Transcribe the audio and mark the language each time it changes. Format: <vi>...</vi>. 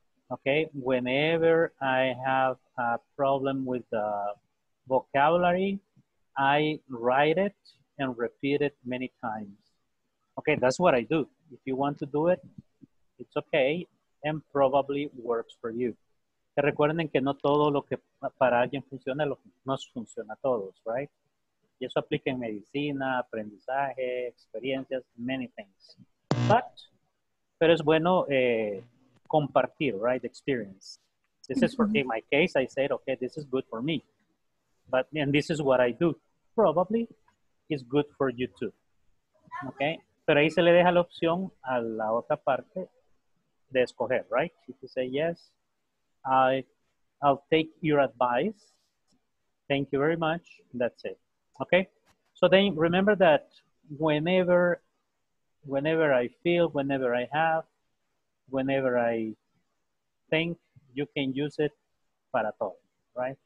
<en>Okay, whenever I have a problem with the vocabulary, I write it and repeat it many times. Okay, that's what I do. If you want to do it, it's okay, and probably works for you.</en> <es>Que recuerden que no todo lo que para alguien funciona, lo que nos funciona a todos,</es> <en>right?</en> <es>Y eso aplica en medicina, aprendizaje, experiencias,</es> <en>many things.</en> <es>Pero es bueno compartir,</es> <en>right, experience. This is for in my case, I said, okay, this is good for me. And this is what I do. Probably is good for you too. Okay?</en> <es>Pero ahí se le deja la opción a la otra parte de escoger,</es> <en>right? If you say yes, I'll take your advice. Thank you very much. That's it. Okay? So then remember that whenever I feel, whenever I have, whenever I think, you can use it</en> <es>para todo,</es> <en>right?</en>